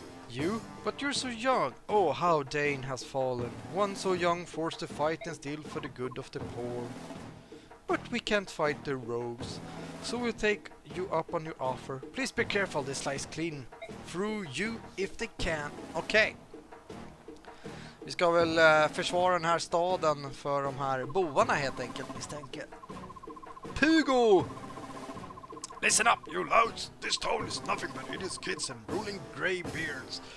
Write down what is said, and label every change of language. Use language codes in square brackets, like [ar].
[en] You? But you're so young. Oh, how Dane has fallen. One so young forced to fight and steal for the good of the poor. But we can't fight the rogues. So we'll take you up on your offer. Please be careful, they slice clean through you if they can. Okay. [sv] Vi ska väl försvara den här staden för de här boarna helt enkelt, misstänker. [en] Pugo! Listen up, you louts! This town is nothing but idiot kids and ruling grey beards.